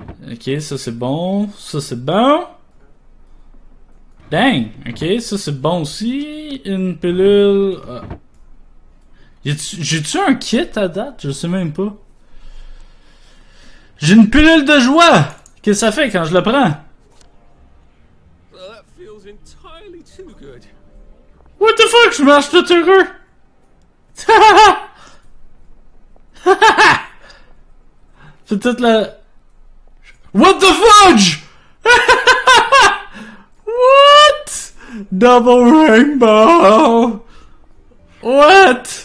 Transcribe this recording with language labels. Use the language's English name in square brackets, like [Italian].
[French] Ok, ça c'est bon. Ça c'est bon. Dang! Ok, ça c'est bon aussi. Une pilule... J'ai-tu un kit à date? Je sais même pas. J'ai une pilule de joie! Qu'est-ce que ça fait quand je la prends? [English] That feels entirely too good. What the fuck, [French] je marche tout heureux! C'est toute la... [English] What the fudge? What? Double rainbow! What?